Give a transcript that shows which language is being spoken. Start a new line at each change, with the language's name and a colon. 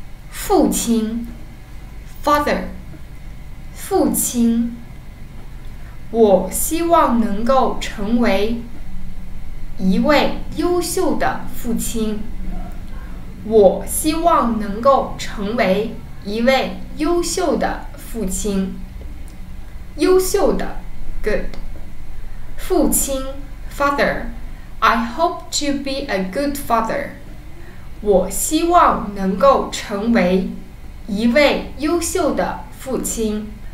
Chinese: 父亲 Father 父亲我希望能够成为一位优秀的父亲。我希望能够成为一位优秀的父亲。
English: 优秀的 Good 父亲Father, I hope to be a good father.
Chinese: 我希望能够成为一位优秀的父亲。